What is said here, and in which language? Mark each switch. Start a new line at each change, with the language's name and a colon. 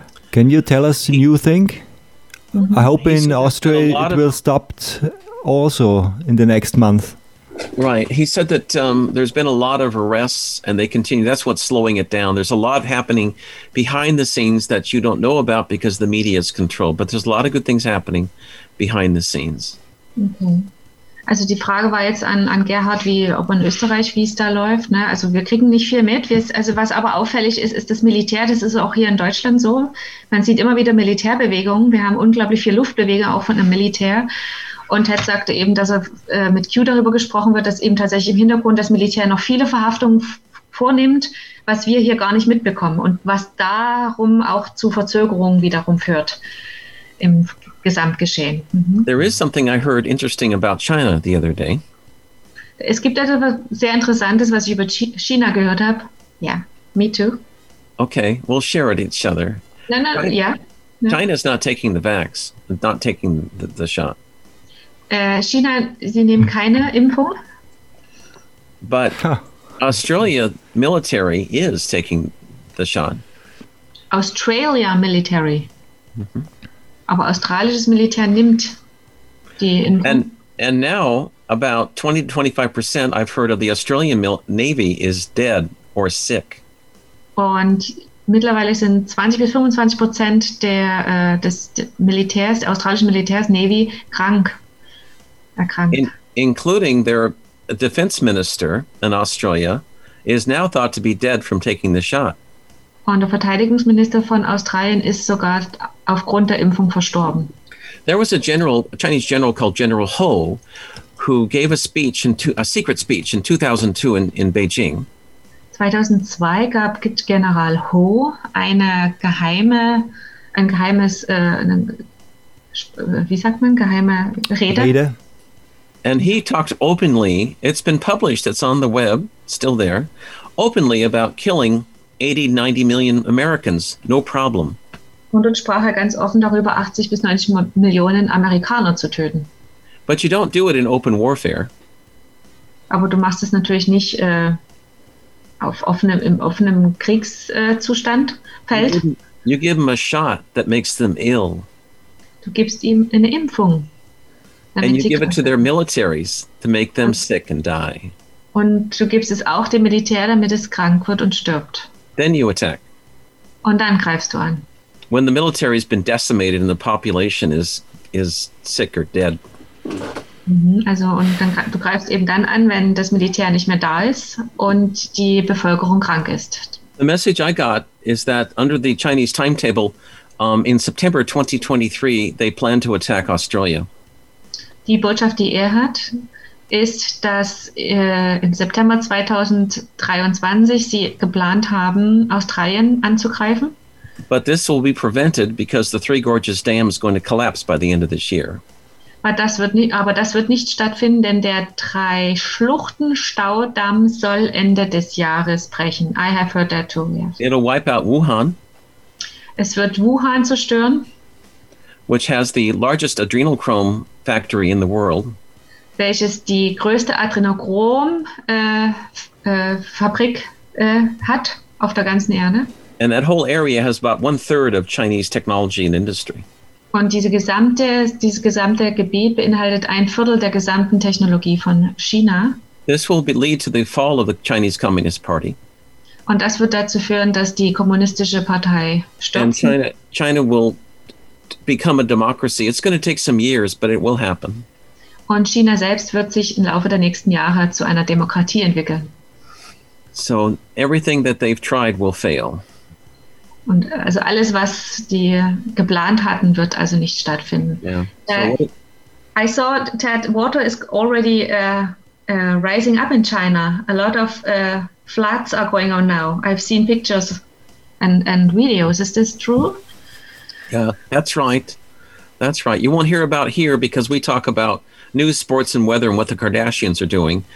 English: Can you tell us a new thing? I hope in Austria it will stop also in the next month. Right. He said that there's been a lot of arrests and they continue. That's what's slowing it down. There's a lot happening behind the scenes that you don't know about because the media is controlled. But there's a lot of good things happening behind the scenes. Okay.
German: Also die Frage war jetzt an Gerhard, ob in Österreich, wie es da läuft. Ne? Also wir kriegen nicht viel mit. Was aber auffällig ist, ist das Militär. Das ist auch hier in Deutschland so. Man sieht immer wieder Militärbewegungen. Wir haben unglaublich viel Luftbewegung auch von dem Militär. Und Ted sagte eben, dass er mit Q darüber gesprochen wird, dass eben tatsächlich im Hintergrund das Militär noch viele Verhaftungen vornimmt, was wir hier gar nicht mitbekommen und was darum auch zu Verzögerungen wiederum führt im Gesamtgeschehen. Mhm.
English: There is something I heard interesting about China the other day.
German: Es gibt etwas sehr Interessantes, was ich über China gehört habe.
English: Ja, me too. Okay, we'll share it each other. No, ja. China is not taking the vax, not taking the shot.
German: China, sie nehmen keine Impfung.
English: But Australia military is taking the Shan? Australia Military.
German: Mm-hmm. Aber australisches Militär nimmt die in-
English: and now about 20-25% I've heard of the Australian Navy is dead or sick.
German: Und mittlerweile sind 20-25% der des Militärs, australischen Militärs, Navy krank. Erkrankt. In,
English: including their defense minister in Australia is now thought to be dead from taking the shot.
German: Und der Verteidigungsminister von Australien ist sogar aufgrund der Impfung verstorben.
English: There was a general, a Chinese general called General Ho, who gave a speech, in to, a secret speech in 2002 in Beijing.
German: 2002 gab General Ho eine geheime, ein geheimes, wie sagt man, geheime Rede? Rede.
English: And he talked openly, it's been published, it's on the web, still there, openly about killing 80-90 million Americans, no problem.
German: Und dann sprach er ganz offen darüber, 80 bis 90 Millionen Amerikaner zu töten.
English: But you don't do it in open warfare.
German: Aber du machst es natürlich nicht auf offenem, im offenen Kriegszustand, Feld.
English: You give them a shot that makes them ill.
German: Du gibst ihm eine Impfung.
English: And you give it to their militaries to make them sick and die.
German: Und du gibst es auch dem Militär, damit es krank wird und stirbt.
English: Then you attack.
German: Und dann greifst du an.
English: When the military has been decimated and the population is sick or dead.
German: Also und dann du greifst eben dann an, wenn das Militär nicht mehr da ist und die Bevölkerung krank ist.
English: The message I got is that under the Chinese timetable, in September 2023, they plan to attack Australia.
German: Die Botschaft, die er hat, ist, dass im September 2023 sie geplant haben, Australien anzugreifen.
English: But this will be prevented because the Three Gorges Dam is going to collapse by the end of this year.
German: Aber das wird nicht stattfinden, denn der Drei-Schluchten-Staudamm soll Ende des Jahres brechen.
English: I have heard that too, yes. It'll wipe out Wuhan.
German: Es wird Wuhan zerstören.
English: Which has the largest adrenochrome factory in the world.
German: Welches die größte Adrenochrom-Fabrik hat auf der ganzen Erde.
English: And that whole area has about one third of Chinese technology and industry.
German: Und dieses gesamte Gebiet beinhaltet ein Viertel der gesamten Technologie von China.
English: This will be lead to the fall of the Chinese Communist Party.
German: Und das wird dazu führen, dass die kommunistische Partei stürzt.
English: And China will become a democracy. It's going to take some years, but it will happen.
German: Und China selbst wird sich im Laufe der nächsten Jahre zu einer Demokratie entwickeln.
English: So everything that they've tried will fail.
German: Und also alles, was die geplant hatten, wird also nicht stattfinden.
English: Yeah. I saw that water is already rising up in China. A lot of floods are going on now. I've seen pictures and videos. Is this true? Yeah, that's right. That's right. You won't hear about it here because we talk about news, sports and weather and what the Kardashians are doing.